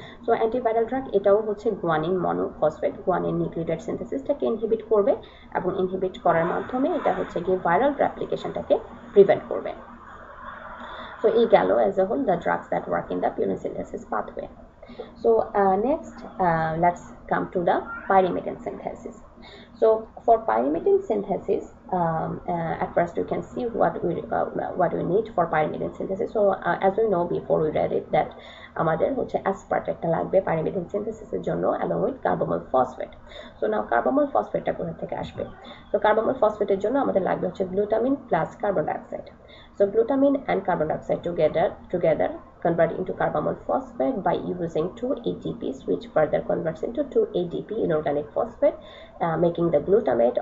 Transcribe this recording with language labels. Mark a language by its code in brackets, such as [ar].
[bn] So antiviral drug, এটাও হচ্ছে guanine monophosphate guanine nucleotide সিনথেসিসটাকে inhibit করবে, এবং ইনহিবিট করার মাধ্যমে এটা হচ্ছে গিয়ে ভাইরাল রেপ্লিকেশনটাকে প্রিভেন্ট করবে। [en] so [bn] এই গেল [en] As a whole the drugs that work in the purine synthesis pathway. So next let's come to the pyrimidine synthesis. So for pyrimidine synthesis, at first you can see what we need for pyrimidine synthesis. So as we know before we read it that [bn] আমাদের হচ্ছে অ্যাসপার্টেটটা লাগবে pyrimidine সিনথেসিসের জন্য, [en] Along with carbamoyl phosphate. So now [bn] কার্বামল ফসফেটটা কোথা থেকে আসবে? তো কার্বামল ফসফেটের জন্য আমাদের লাগবে হচ্ছে glutamine plus carbon dioxide. [en] So glutamine and carbon dioxide together convert into carbamoyl phosphate by using two ATPs which further converts into two ADP inorganic phosphate making the glutamate.